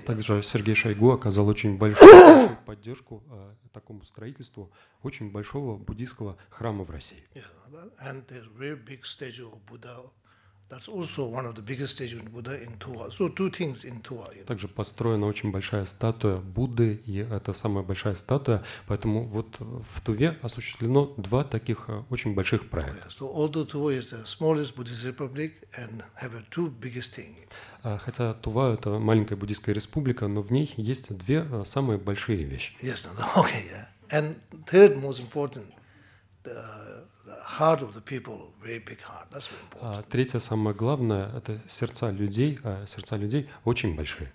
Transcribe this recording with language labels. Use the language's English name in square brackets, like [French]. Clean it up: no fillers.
[Russian] Также Сергей Шойгу оказал очень большую поддержку такому строительству очень большого буддийского храма в России. [English] Yeah, and there's very big statue of Buddha. That's also one of the biggest statues of Buddha in Tuva. So two things in Tuva. You know. [Russian] Также построена очень большая статуя Будды, и это самая большая статуя. Поэтому вот в Туве осуществлено два таких очень больших проекта. [English] Okay. So although Tuva is the smallest Buddhist republic and have two biggest things. [Russian] Хотя Тува это маленькая буддийская республика, но в ней есть две самые большие вещи. [English] Yes, no, okay, yeah. And third most important. The heart of the people, very big heart. That's very important. [Russian] Третье самое главное – это сердца людей. Сердца людей очень большие.